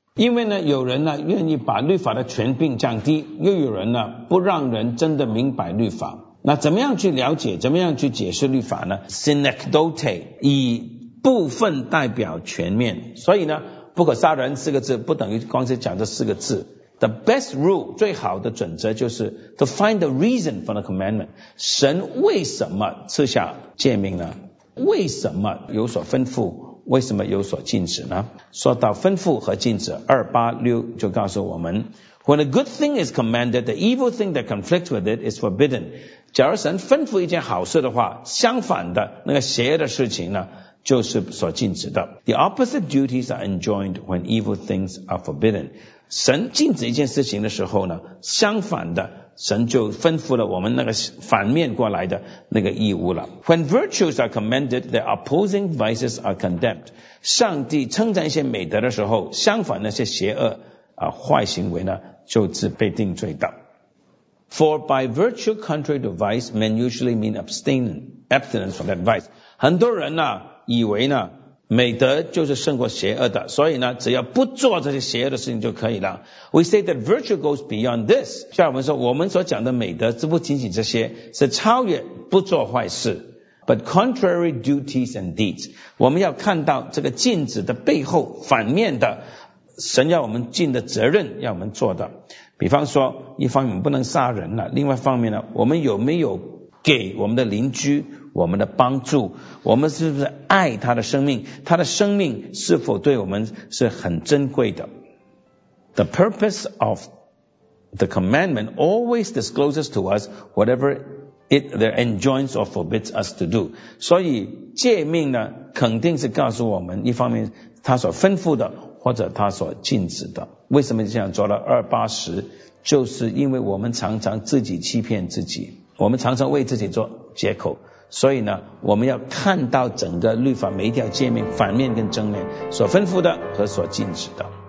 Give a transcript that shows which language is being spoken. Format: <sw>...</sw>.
<zh>因为呢，有人呢愿意把律法的权柄降低，又有人呢不让人真的明白律法。那怎么样去了解，怎么样去解释律法呢？Synecdote， 以部分代表全面。所以呢，不可杀人四个字不等于光是讲这四个字。</zh> <en>The best rule，</en> <zh>最好的准则就是</zh> <en>to find the reason for the commandment。</en> <zh>神为什么赐下诫命呢？为什么有所吩咐？为什么有所禁止呢？说到吩咐和禁止，286就告诉我们</zh> <en>When a good thing is commanded, the evil thing that conflicts with it is forbidden。</en> <zh>假如神吩咐一件好事的话，相反的那个邪恶的事情呢，就是所禁止的。</zh> <en>The opposite duties are enjoined when evil things are forbidden。</en> <zh>神禁止一件事情的时候呢，相反的神就吩咐了我们那个反面过来的那个义务了。</zh> <en>When virtues are commended, the opposing vices are condemned。</en> <zh>上帝称赞一些美德的时候，相反那些邪恶坏行为呢，就是被定罪的。</zh> <en>For by virtue contrary to vice, men usually mean abstinence from that vice.</en> <zh>很多人呢、啊、以为呢美德就是胜过邪恶的，所以呢只要不做这些邪恶的事情就可以了。</zh> <en>We say that virtue goes beyond this.</en> <zh>下面我们说我们所讲的美德是不仅仅这些，是超越不做坏事。</zh> <en>But contrary duties and deeds,</en> <zh>我们要看到这个镜子的背后反面的神要我们尽的责任要我们做的。比方说一方面我们不能杀人了，另外一方面呢我们有没有给我们的邻居我们的帮助，我们是不是爱他的生命，他的生命是否对我们是很珍贵的。</zh> <en>The purpose of the commandment always discloses to us whatever it enjoins or forbids us to do.</en> <zh>所以诫命呢肯定是告诉我们一方面他所吩咐的或者他所禁止的。为什么这样做了二八十，就是因为我们常常自己欺骗自己，我们常常为自己做借口，所以呢我们要看到整个律法每一条诫命反面跟正面，所吩咐的和所禁止的。</zh>